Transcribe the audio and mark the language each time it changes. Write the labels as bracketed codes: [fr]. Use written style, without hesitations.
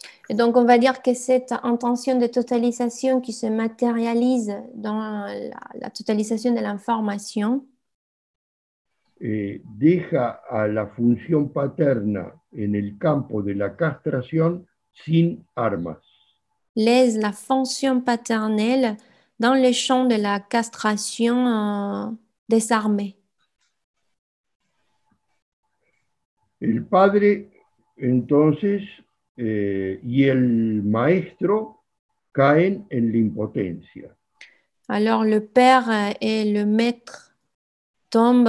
[fr] Et donc on va dire que cette intention de totalisation qui se matérialise dans la totalisation de l'information [es] deja a la función paterna en el campo de la castración sin armas. [fr] Laisse la fonction paternelle dans le champ de la castration désarmée. [es] El padre, entonces, y el maestro caen en la impotencia. [fr] Alors, le père et le maître tombent